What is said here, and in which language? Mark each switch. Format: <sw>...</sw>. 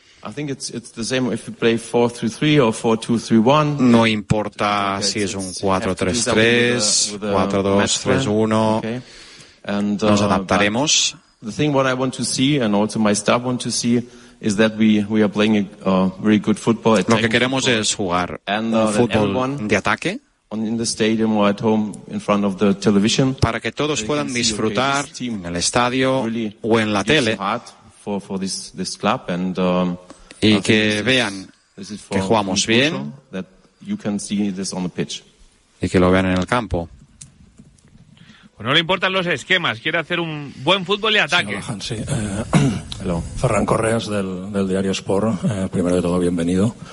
<en>I think it's the same if you play 4-3-3 or 4-2-3-1.</en> <es>No importa si es un 4-3-3, 4-2-3-1. Nos adaptaremos.</es> <en>The thing what I want to see and also my staff want to see is that we are playing a very good football.</en> <es>Lo que queremos es jugar un fútbol de ataque</es> <en>in the stadium or at home in front of the television.</en> <es>Para que todos puedan disfrutar en el estadio o en la tele.</es> <en>For this club and</en> <es>y que vean que jugamos bien,</es> <en>that you can see this on the pitch.</en> <es>Y que lo vean en el campo. No le importan los esquemas, quiere hacer un buen fútbol y ataque. Sí,</es> <en>hello.</en> <es>Ferran Correas del diario Sport, primero de todo, bienvenido.</es>